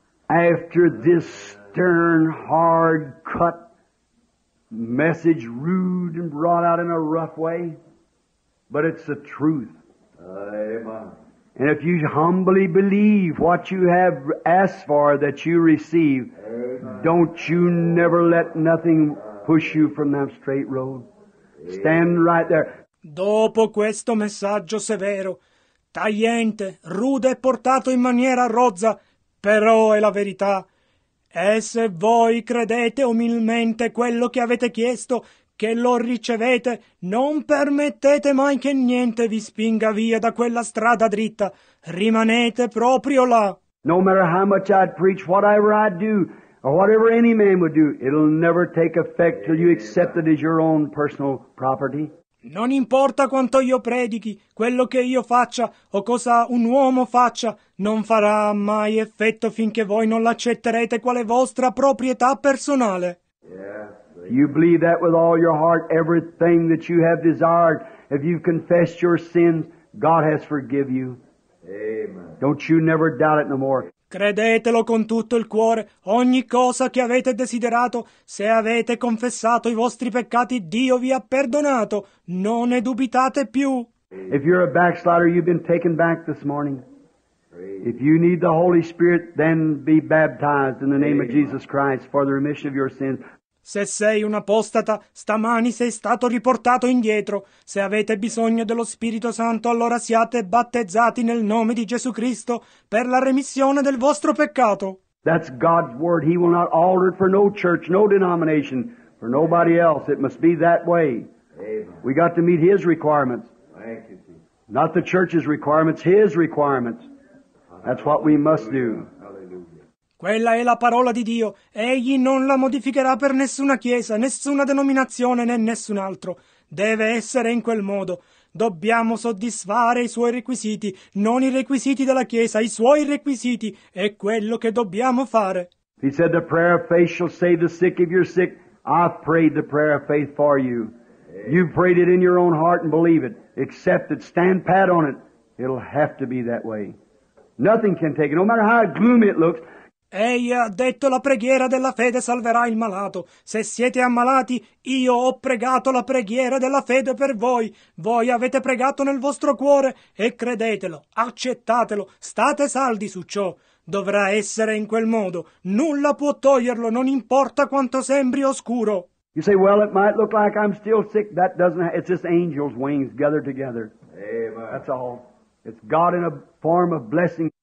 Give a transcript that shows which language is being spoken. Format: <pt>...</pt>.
<en>After this stern, hard cut message, rude and brought out in a rough way, but it's the truth. Amen. And if you humbly believe what you have asked for that you receive, amen, don't you never let nothing push you from that straight road. Amen. Stand right there.</en> <it>Dopo questo messaggio severo, tagliente, rude e portato in maniera rozza, però è la verità. E se voi credete umilmente quello che avete chiesto, che lo ricevete, non permettete mai che niente vi spinga via da quella strada dritta. Rimanete proprio là.</it> <en>No matter how much I'd preach, whatever I'd do, or whatever any man would do, it'll never take effect till you accept it as your own personal property.</en> <it>Non importa quanto io predichi, quello che io faccia o cosa un uomo faccia, non farà mai effetto finché voi non l'accetterete quale vostra proprietà personale.</it> <en>You believe that with all your heart, everything that you have desired, if you've confessed your sins, God has forgiven you. Amen. Don't you never doubt it no more.</en> <it>Credetelo con tutto il cuore, ogni cosa che avete desiderato, se avete confessato i vostri peccati, Dio vi ha perdonato, non ne dubitate più.</it> <en>If you're a backslider, you've been taken back this morning. If you need the Holy Spirit, then be baptized in the name of Jesus Christ for the remission of your sins.</en> <it>Se sei un apostata, stamani sei stato riportato indietro. Se avete bisogno dello Spirito Santo, allora siate battezzati nel nome di Gesù Cristo per la remissione del vostro peccato.</it> <en>That's God's word. He will not alter it for no church, no denomination, for nobody else. It must be that way. Amen. We got to meet His requirements. Thank you, Jesus. Not the church's requirements, His requirements. That's what we must do.</en> <it>Quella è la parola di Dio. Egli non la modificherà per nessuna chiesa, nessuna denominazione, né nessun altro. Deve essere in quel modo. Dobbiamo soddisfare i suoi requisiti, non i requisiti della chiesa, i suoi requisiti. È quello che dobbiamo fare.</it> <en>If he said the prayer of faith shall save the sick if you're sick, I've prayed the prayer of faith for you. Amen. You've prayed it in your own heart and believe it. Accept it. Stand pat on it. It'll have to be that way. Nothing can take it, no matter how gloomy it looks.</en> <it>Egli ha detto la preghiera della fede salverà il malato. Se siete ammalati, io ho pregato la preghiera della fede per voi. Voi avete pregato nel vostro cuore e credetelo, accettatelo, state saldi su ciò. Dovrà essere in quel modo. Nulla può toglierlo, non importa quanto sembri oscuro.</it> <en>You say, well, it might look like I'm still sick. That doesn't happen. It's just angels' wings gathered together. Amen. That's all. It's God in a form of blessing.</en>